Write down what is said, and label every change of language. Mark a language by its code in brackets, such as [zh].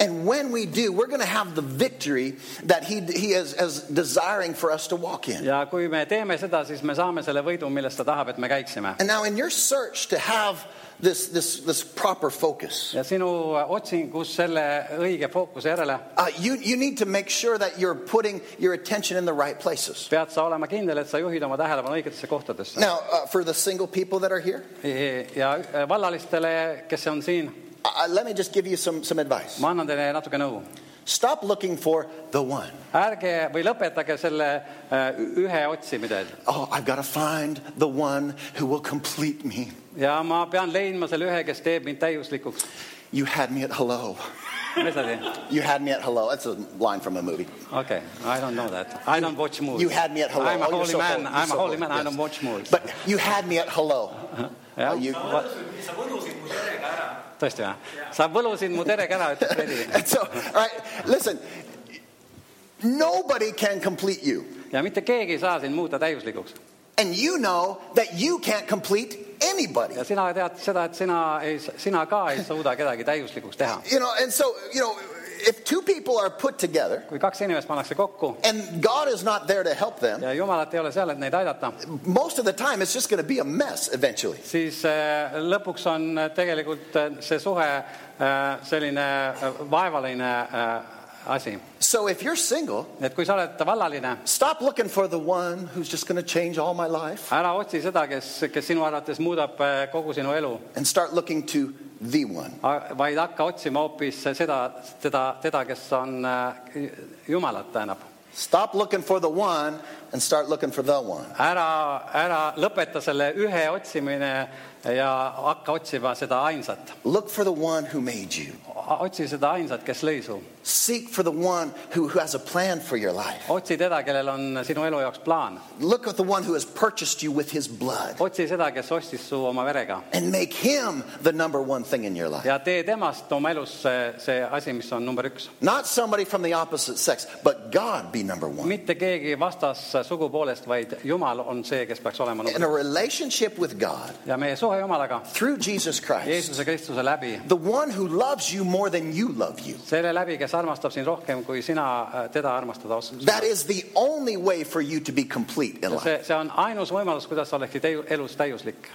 [en] And when we do, we're going to have the victory that he is as desiring for us to walk in. [et] Ja kui me teeme seda, siis me saame selle võidu, millest ta tahab, et me käiksime. [en] And now in your search to have this proper focus. [et] Ja sinu otsingus selle õige fookuse järele. [en] You need to make sure that you're putting your attention in the right places. [et] Pead sa olema kindel, et sa juhid oma tähelepanu õigetesse kohtadesse. [en] Now, for the single people that are here. [et] Ja vallalistele, kes on siin. [en] Let me just give you some advice. [et] Ma annan teile natuke nõu. [en] Stop looking for the one. [et] Ärge või lõpetage selle ühe otsimise. [en] Oh, I've got to find the one who will complete me. [et] Ja ma pean leidma selle ühe, kes teeb mind täiuslikuks. [en] You had me at hello. You had me at hello. That's a line from a movie. Okay, I don't know that. I don't watch movies. You had me at hello. I'm a holy man. I'm a holy man. I don't watch movies. But you had me at hello. Yeah. You, [et] tõesti, jah. Sa võlusid mu tere kära, ütles Fredi. [en] So, all right, listen. Nobody can complete you. [et] Ja mitte keegi ei saa sind muuta täiuslikuks. [en] And you know that you can't complete anybody. [et] Ja sina tead seda, et sina ka ei suuda kedagi täiuslikuks teha. [en] You know, and so, you know, if two people are put together, [et] kui kaks inimest pannakse kokku, [en] and God is not there to help them, [et] ja Jumalat ei ole seal, et neid aidata, [en] most of the time it's just going to be a mess eventually. [et] Siis lõpuks on tegelikult see suhe selline vaevaline asi. [en] So if you're single, [et] et kui sa oled vallaline, [en] stop looking for the one who's just going to change all my life. [et] Ära otsi seda, kes sinu arvates muudab kogu sinu elu. [en] And start looking to the one. [et] Vaid hakka otsima hoopis seda, kes on Jumalat tähendab. [en] Stop looking for the one and start looking for the one. [et] Ära lõpeta selle ühe otsimine ja hakka otsima seda ainsat. [en] Look for the one who made you. [et] Otsi seda ainsat, kes lõi su. [en] Seek for the one who has a plan for your life. [et] Otsi teda, kellel on sinu elu jaoks plaan. [en] Look at the one who has purchased you with his blood. [et] Otsi seda, kes ostis su oma verega. [en] And make him the number one thing in your life. [et] Ja tee temast oma elus see asi, mis on number üks. [en] Not somebody from the opposite sex, but God be number one. [et] Mitte keegi vastas sugupoolest, vaid Jumal on see, kes peaks olema number [en] one. In a relationship with God. [et] Ja meie suhe Jumalaga. [en] Through Jesus Christ. [et] Jeesuse Kristuse läbi. [en] The one who loves you more than you love you. [et] Selle läbi, kes armastab sind rohkem kui sina teda armastada oskad. [en] That is the only way for you to be complete in life. [et] See on ainus võimalus, kuidas oleksid elus täiuslik.